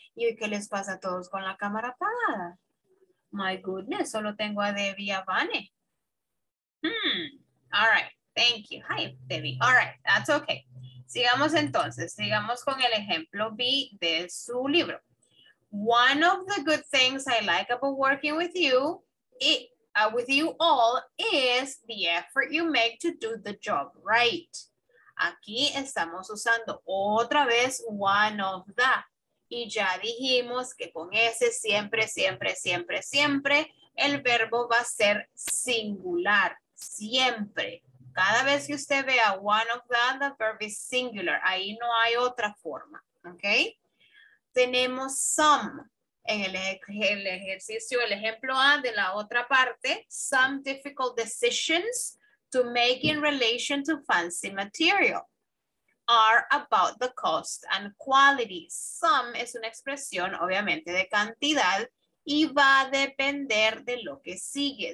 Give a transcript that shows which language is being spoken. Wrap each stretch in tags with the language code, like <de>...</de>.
<es>¿Y qué les pasa a todos con la cámara apagada?</es> <en>My goodness,</en> <es>solo tengo a Debbie y a Vane.</es> <en>Hmm, all right. Thank you. Hi, Debbie. All right, that's okay.</en> <es>Sigamos entonces. Sigamos con el ejemplo B de su libro.</es> <en>One of the good things I like about working with you, with you all, is the effort you make to do the job right.</en> <es>Aquí estamos usando otra vez</es> <en>one of the.</en> <es>Y ya dijimos que con ese siempre, siempre, siempre, siempre, el verbo va a ser singular. Siempre. Cada vez que usted vea</es> <en>one of the verb is singular.</en> <es>Ahí no hay otra forma, ¿ok? Tenemos some en el ejercicio, el ejemplo A de la otra parte.</es> <en>Some difficult decisions to make in relation to fancy material are about the cost and quality.</en> <es>Some es una expresión, obviamente, de cantidad y va a depender de lo que sigue.</es>